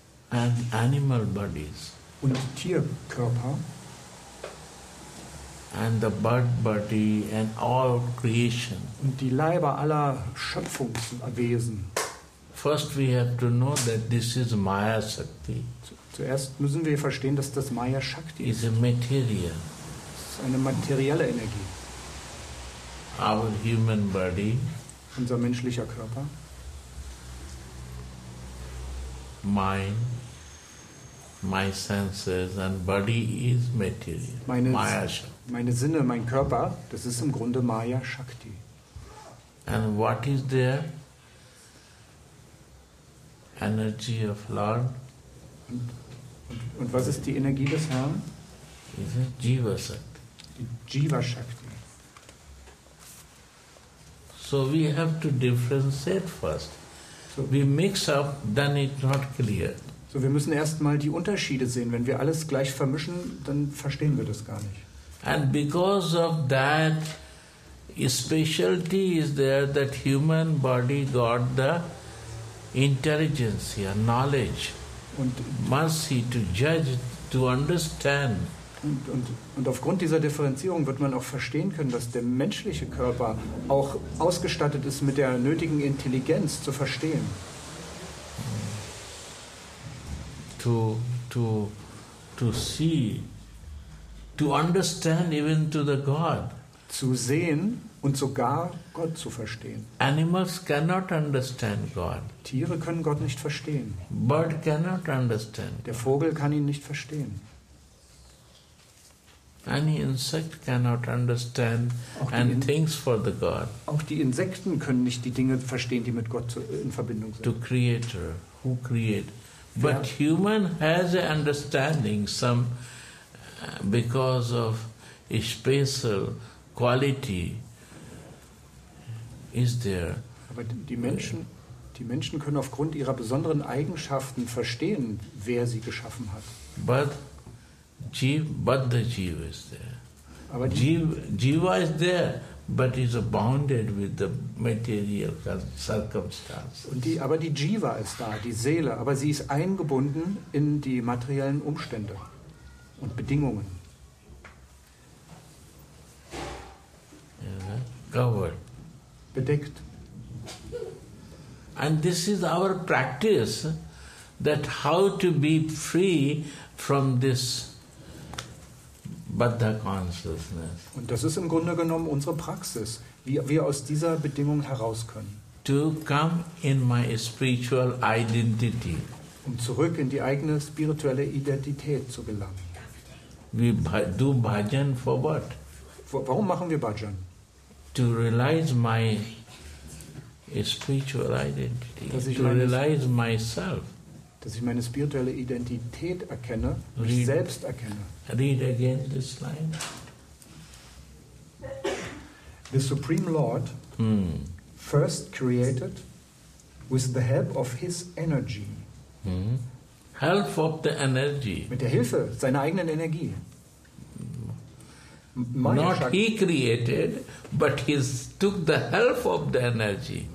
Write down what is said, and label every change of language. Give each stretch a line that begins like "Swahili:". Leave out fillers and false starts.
English: And animal bodies.
German: Und Tierkörper.
English: And the bird body and all creation.
German: Und die Leiber aller Schöpfungswesen.
English: First we have to know that this is Maya Shakti.
German: Zuerst müssen wir verstehen, dass das Maya Shakti ist.
English: Is a material.
German: Das ist eine materielle Energie.
English: Our human body.
German: Unser menschlicher Körper.
English: Mind. My senses and body is material.
German: Meine Sinne, mein Körper, das ist im Grunde Maya Shakti.
English: And what is there? Energy of Lord.
German: Und was ist die Energie des Herrn?
English: Is it Jiva Shakti? Jiva Shakti. So we have to differentiate first. So we mix up, then it's not clear.
German: So wir müssen erst mal die Unterschiede sehen. Wenn wir alles gleich vermischen, dann verstehen wir das gar nicht.
English: And because of that, a specialty is there that human body got the intelligence, knowledge,
German: und
English: mercy to judge, to understand.
German: Und aufgrund dieser Differenzierung wird man auch verstehen können, dass der menschliche Körper auch ausgestattet ist mit der nötigen Intelligenz zu verstehen.
English: To see, to understand even to the God.
German: Zu sehen und sogar Gott zu verstehen.
English: Animals cannot understand God.
German: Tiere können Gott nicht verstehen.
English: Bird cannot understand.
German: Der Vogel kann ihn nicht verstehen.
English: Any insect cannot understand and things for the God.
German: Auch die Insekten können nicht die Dinge verstehen, die mit Gott in Verbindung sind.
English: To Creator, who create. But human has an understanding, some because of a special quality is there.
German: Aber die Menschen können aufgrund ihrer besonderen Eigenschaften verstehen, wer sie geschaffen hat.
English: But the Jiva is there.
German: Aber
English: Jiva is there, but is bounded with the material circumstances.
German: Aber die Jiva ist da, die Seele, aber sie ist eingebunden in die materiellen Umstände und Bedingungen.
English: Covered.
German: Bedeckt.
English: And this is our practice, that how to be free from this Buddha consciousness.
German: Und das ist im Grunde genommen unsere Praxis, wie wir aus dieser Bedingung heraus können.
English: To come in my spiritual identity.
German: Um zurück in die eigene spirituelle Identität zu gelangen.
English: We do bhajan for what?
German: Warum machen wir Bhajan?
English: To realize my spiritual identity.
German: Dass ich meine spirituelle Identität erkenne, mich selbst erkenne.
English: Read again this line. The Supreme Lord first created with the help of his energy. Help of the energy.
German: Mit der Hilfe seiner eigenen Energie.
English: Maya not Shakti. He created, but he took the help of the energy.